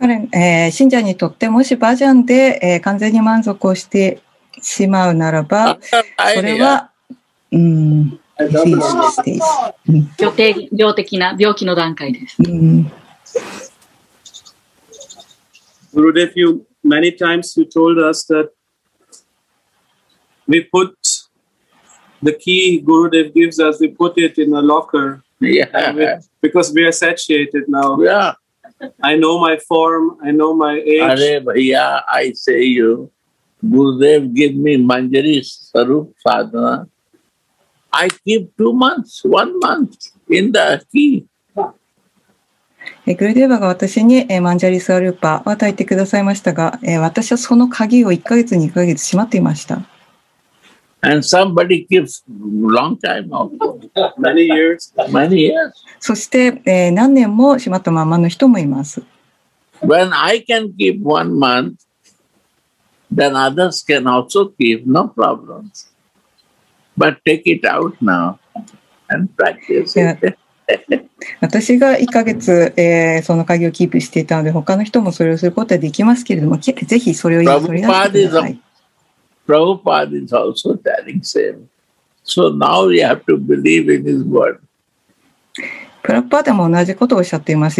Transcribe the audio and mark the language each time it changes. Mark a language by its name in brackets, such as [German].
[Japanese] 彼、信者にとってもしバジャンで、完全に満足をしてしまうならば、それは、病的な病気の段階です。 [English] Gurudev, you many times you told us that we put the key Gurudev gives us, we put it in a locker. Yeah, because we are satiated now. Yeah, I know my form, I know my age. Arey bhaiya, I say you, Gurudev, give me Manjari Sarup Sadhana. I keep 2 months, 1 month in the key. [Japanese] Gurudev が私に Manjari Sarupa を与えてくださいましたが、私はその鍵を1ヶ月、2ヶ月しまっていました。 [English] And somebody gives long time out. Many years. Many years. [Japanese] そして、何年もしまったままの人もいます。 [English] When I can keep 1 month, then others can also keep, no problems. But take it out now and practice it. [Japanese] 私が1ヶ月、その鍵をキープしていたので、他の人もそれをすることはできますけれども、ぜひそれを言い取りなさい。 [English] Prabhupada is also telling same. So now we have to believe in his word. [Japanese] Prabhupada も同じことをおっしゃっています。